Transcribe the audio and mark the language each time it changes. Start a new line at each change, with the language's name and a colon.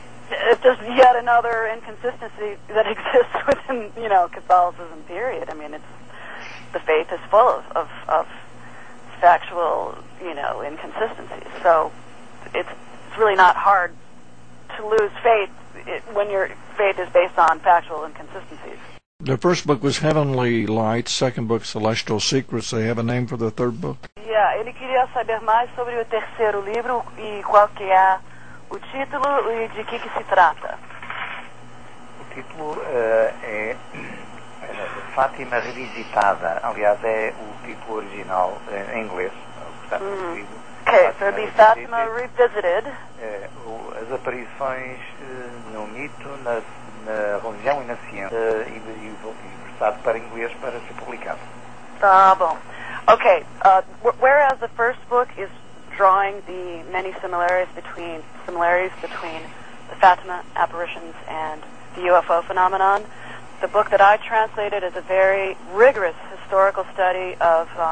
English: it's just yet another inconsistency that exists within, you know, Catholicism, period. I mean, it's, the faith is full of factual, you know, inconsistencies. So it's really not hard to lose faith when your faith is based on factual inconsistencies. The first book was Heavenly Light, second book Celestial Secrets. They have a name for the third book?
Portuguese: Yeah, ele queria saber mais sobre o terceiro livro e qual que é o título e de que se trata. O título é Fátima Revisitada. Aliás, é o título original em inglês.
English: Okay, so it'd be Fatima Revisited.
Portuguese: As aparições no mito, na religião e na ciência, e versado para inglês para ser publicado. Tá bom.
English: Okay, whereas the first book is drawing the many similarities between the Fatima apparitions and the UFO phenomenon, the book that I translated is a very rigorous historical study of